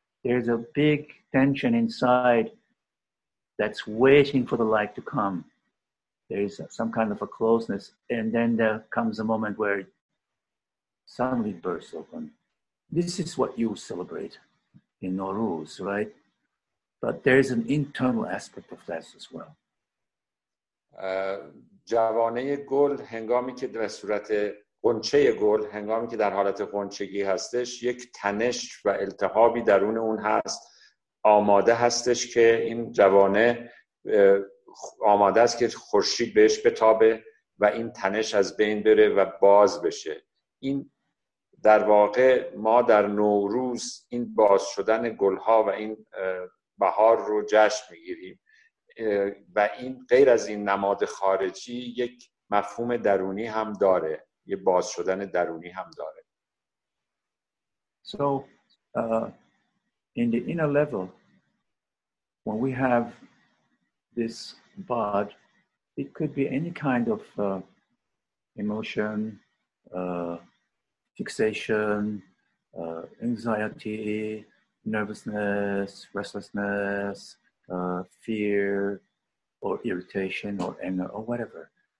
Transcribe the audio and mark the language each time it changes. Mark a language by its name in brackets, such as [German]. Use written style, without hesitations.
[English] There is a big tension inside that's waiting for the light to come. There is some kind of a closeness, and then there comes a moment where it suddenly bursts open. This is what you celebrate in Nowruz, right? But there is an internal aspect of that as well. [Persian] جوانه گل هنگامی که در صورت قنچه گل، هنگامی که در حالت قنچگی هستش، یک تنش و التهابی درون اون هست، آماده هستش که این جوانه آماده است که خورشید بهش بتابه و این تنش از بین بره و باز بشه. این در واقع ما در نوروز این باز شدن گلها و این بهار رو جشن میگیریم و این غیر از این نماد خارجی یک مفهوم درونی هم داره، یه باز شدن درونی هم داره. [English] So in the inner level, when we have this bud, it could be any kind of emotion, fixation, anxiety, nervousness, restlessness, fear or irritation or anger or whatever.